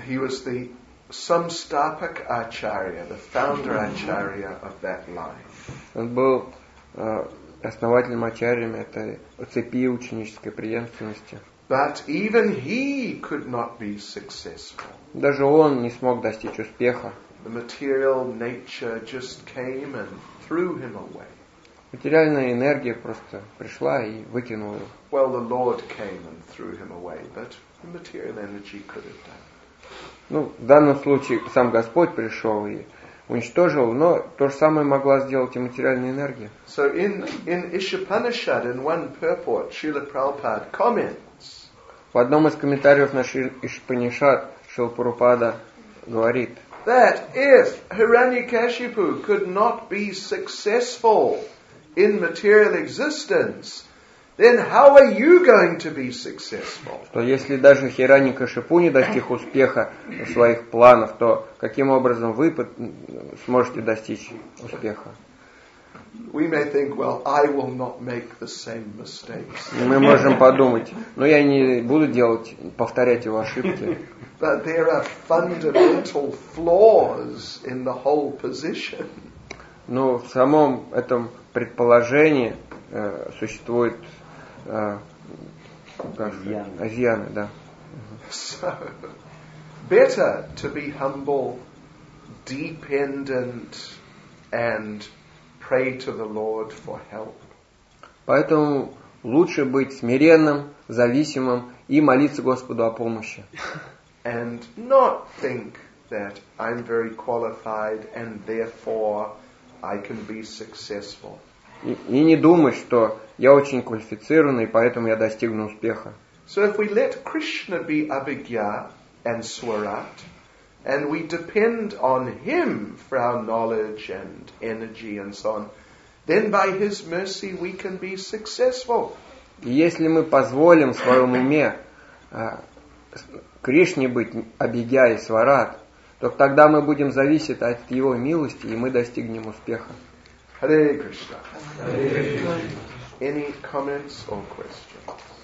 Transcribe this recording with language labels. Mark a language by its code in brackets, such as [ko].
[en] He was the Samstapak Acharya, the founder Acharya of that line. [ru] Он был основателем Ачарьям этой цепи ученической преемственности. [en] But even he could not be successful. [ru] Даже он не смог достичь успеха. [en] The material nature just came and threw him away. [ru] Материальная энергия просто пришла и выкинула его. [en] Well, the Lord came and threw him away, but the material energy could have done. [ru] Ну, в данном случае сам Господь пришел и уничтожил, но то же самое могла сделать и материальная энергия. [en] So in Ishapanishad, in one purport, Srila Prabhupada comments. [ru] В одном из комментариев на Ишпанишат Шрила Прабхупада говорит, [en] that if Hiranyakashipu could not be successful in material existence, then how are you going to be successful? [ru] Что если даже Хираньякашипу не достиг успеха в своих планах, то каким образом вы сможете достичь успеха? [en] We may think, well, I will not make the same mistakes. [ru] Мы можем подумать, но я не буду делать, повторять его ошибки. [en] But there are fundamental flaws in the whole position. [ru] Но в самом этом предположении существует Азьяны, да. [en] So, better to be humble, dependent, and pray to the Lord for help. [ru] Поэтому лучше быть смиренным, зависимым и молиться Господу о помощи. [en] And not think that I'm very qualified and therefore I can be successful. [ru] И не думай, что я очень квалифицированный, поэтому я достигну успеха. [en] So if we let Krishna be Abhigya and Swarat, and we depend on him for our knowledge and energy and so on, then by his mercy we can be successful. [ru] И если мы позволим в своем уме Кришне быть Абхигья и Сварат, то тогда мы будем зависеть от его милости, и мы достигнем успеха. [en] Hare Krishna. Hare Krishna. Any comments or questions?